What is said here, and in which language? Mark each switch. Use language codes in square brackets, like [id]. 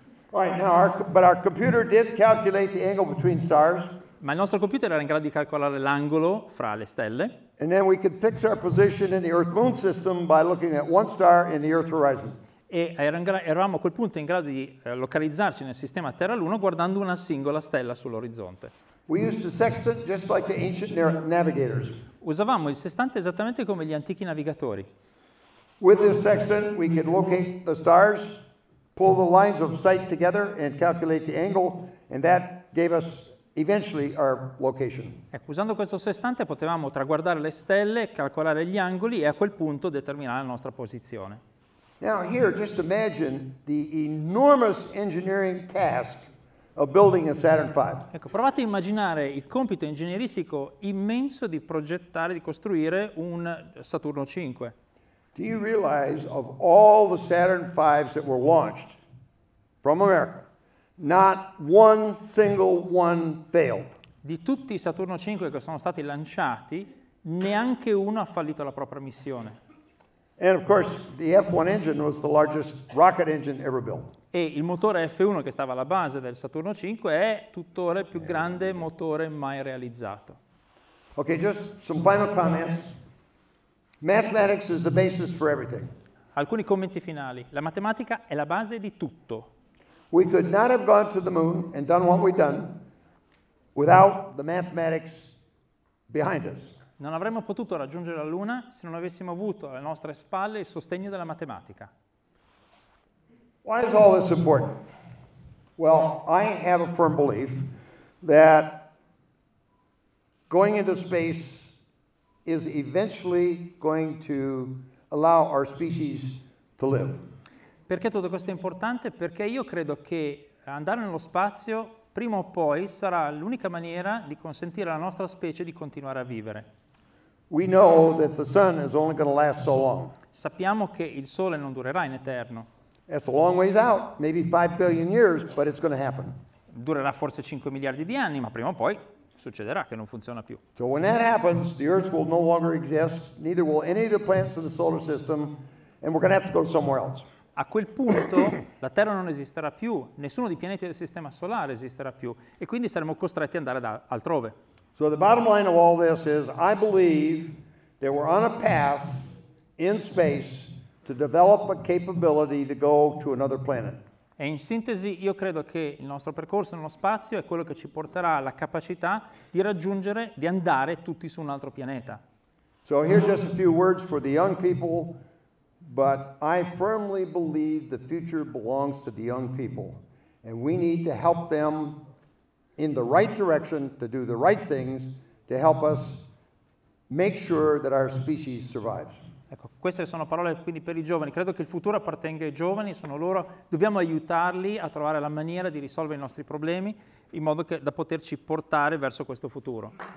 [en] Right, now our computer did calculate the angle between stars. [it] Ma il nostro computer era in grado di calcolare l'angolo fra le stelle. [en] And then we could fix our position in the Earth-Moon system by looking at one star in the Earth horizon. [it] E eravamo a quel punto in grado di localizzarci nel sistema Terra-Luna guardando una singola stella sull'orizzonte. [en] We used the sextant just like the ancient navigators. [it] Usavamo il sestante esattamente come gli antichi navigatori. [en] With this sextant we could locate the stars, pull the lines of sight together and calculate the angle, and that gave us eventually our location. [it] Ecco, usando questo sestante potevamo traguardare le stelle, calcolare gli angoli e a quel punto determinare la nostra posizione. [en] Now here, just imagine the enormous engineering task of building a Saturn V. [it] Ecco, provate a immaginare il compito ingegneristico immenso di progettare, di costruire un Saturno V. [en] Do you realize of all the Saturn V's that were launched from America, not one single one failed? [it] Di tutti i Saturno V che sono stati lanciati, neanche uno ha fallito la propria missione. [en] And of course, the F1 engine was the largest rocket engine ever built. [it] E il motore F1 che stava alla base del Saturno V è tuttora il più grande motore mai realizzato. [en] Okay, just some final comments. Mathematics is the basis for everything. [it] Alcuni commenti finali. La matematica è la base di tutto. [en] We could not have gone to the moon and done what we've done without the mathematics behind us. [it] Non avremmo potuto raggiungere la Luna se non avessimo avuto alle nostre spalle il sostegno della matematica. [en] Why is all this important? Well, I have a firm belief that going into space is eventually going to allow our species to live. [it] Perché tutto questo è importante? Perché io credo che andare nello spazio prima o poi sarà l'unica maniera di consentire alla nostra specie di continuare a vivere. [en] We know that the sun is only going to last so long. [it] Sappiamo che il sole non durerà in eterno. [en] It's a long ways out, maybe 5 billion years, but it's going to happen. [it] Durerà forse 5 miliardi di anni, ma prima o poi succederà che non funziona più. [en] So when that happens, the Earth will no longer exist, neither will any of the planets in the solar system, and we're going to have to go somewhere else. [it] A quel punto la Terra non esisterà più, nessuno dei pianeti del sistema solare esisterà più, e quindi saremo costretti ad andare da altrove. [en] So the bottom line of all this is, I believe that we're on a path in space to develop a capability to go to another planet. [it] E in sintesi, io credo che il nostro percorso nello spazio è quello che ci porterà la capacità di raggiungere, di andare tutti su un altro pianeta. [en] So here just a few words for the young people, but I firmly believe the future belongs to the young people, and we need to help them in the right direction to do the right things to help us make sure that our species survives. [it] Ecco, queste sono parole quindi per i giovani. Credo che il futuro appartenga ai giovani, sono loro, dobbiamo aiutarli a trovare la maniera di risolvere i nostri problemi in modo che da poterci portare verso questo futuro.